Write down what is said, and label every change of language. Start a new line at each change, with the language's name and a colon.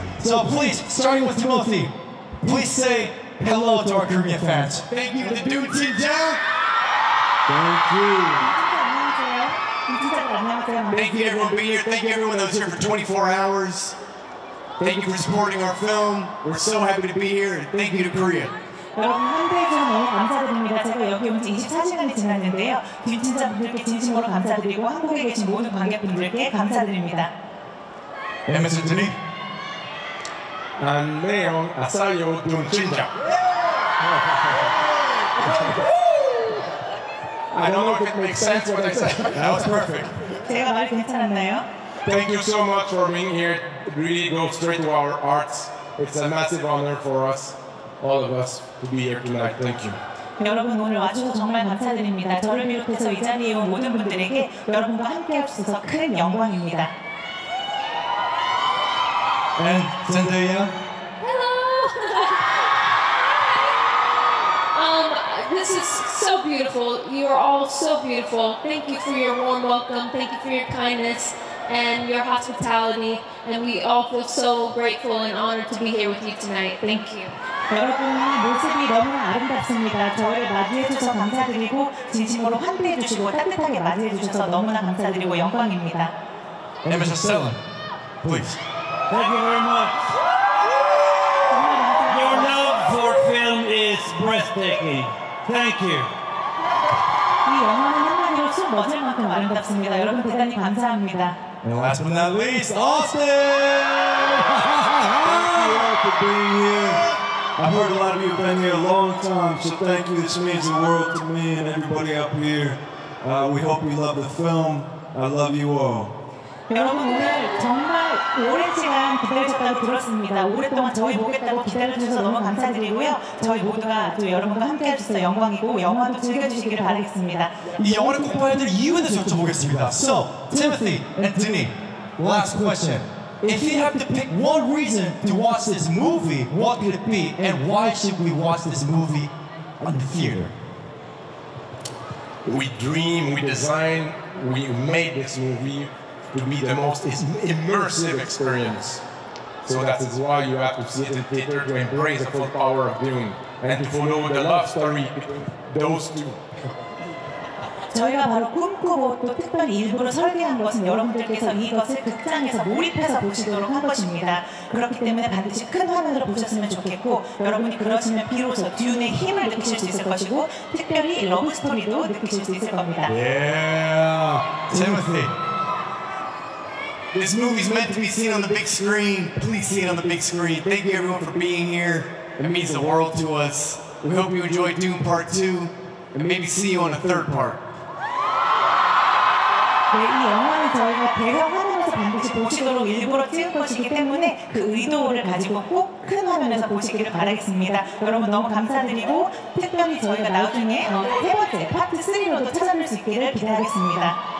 English: So please, starting with Timothée, please say hello to our Korean fans. Thank you, the Dune team, Jack. Thank you. Thank you everyone for being here. Thank you everyone that was here for 24 hours. Thank you for supporting our film. We're so happy to be here, and thank you to Korea.
Korean: 여러분 한대전을 감사드립니다. 제가 여기 온 지 24시간이 지났는데요. 듄친자분들께 진심으로 감사드리고 한국에 계신 모든 관객분들께 감사드립니다. MSN 드니? 안녕하세요. 아싸요 듄친자.
English: I don't know if it makes sense what I said. That was perfect.
Korean: 제가 말 괜찮았나요?
English: Thank you so much for being here. It really goes straight to our hearts. It's a massive honor for us. All of us to be here tonight. Thank you.
Korean: 여러분 오늘 와주셔서 정말 감사드립니다. 저를 비롯해서 이 자리에 온 모든 분들에게 여러분과 함께해 주셔서 큰 영광입니다.
English: And Zendaya. Hello. This is so beautiful. You are all so beautiful. Thank you for your warm welcome. Thank you for your kindness and your hospitality. And we all feel so grateful and honored to be here with you tonight. Thank you.
Korean: 여러분의 모습이 너무나 아름답습니다. 저를 맞이해 주셔서 감사드리고 진심으로 환대해 주시고 따뜻하게 맞이해 주셔서 너무나 감사드리고 영광입니다.
English: MTN STAR, please. Thank you very much. Your love for film is breathtaking. Thank you.
Korean: 이 영화는 한만이로써 멋질 만큼 아름답습니다. 여러분 대단히 감사합니다.
English: And last but not least, Austin! Thank you all for being here. I've heard a lot of you have been here a long time, so thank you. This means the world to me and everybody up here. We hope you love the film. I love you all.
Korean: 여러분 오늘 정말 오랜 시간 기다리셨다고 들었습니다. 오랫동안 저희 보겠다고 기다려주셔서 너무 감사드리고요. 저희 모두가 또 여러분과 함께해 주셔서 영광이고 영화도 즐겨주시길 바라겠습니다. 이 영화를 꼭 봐야 될 이유에 대해서 여쭤보겠습니다.
English: So, Timothée and Denis, last question. If you have to pick one reason to watch this movie, what could it be, and why should we watch this movie on the theater? We dream, we design, we made this movie to be the most immersive experience. So that is why you have to see it in theater, to embrace the full power of Dune, and to follow the love story between those two.
Korean: 저희가 바로 꿈꾸고 또 특별히 일부러 설계한 것은 여러분들께서 이것을 극장에서 몰입해서 보시도록 한 것입니다. 그렇기 때문에 반드시 큰 화면으로 보셨으면 좋겠고 여러분이 그러시면 비로소 듄의 힘을 느끼실 수 있을 것이고 특별히 러브 스토리도 느끼실 수 있을 겁니다.
English: Yeah! Timothée! This movie is meant to be seen on the big screen. Please see it on the big screen. Thank you everyone for being here. It means the world to us. We hope you enjoy Dune Part 2 and maybe see you on a third part.
Korean: 네, 이 영화는 저희가 배경 화면에서 반드시 보시도록 일부러 찍은 것이기 때문에 그 의도를 가지고 꼭 큰 화면에서 보시기를 바라겠습니다. 여러분 너무 감사드리고 특별히 저희가 나중에 세 번째 파트 3로도 찾아뵐 수 있기를 기대하겠습니다.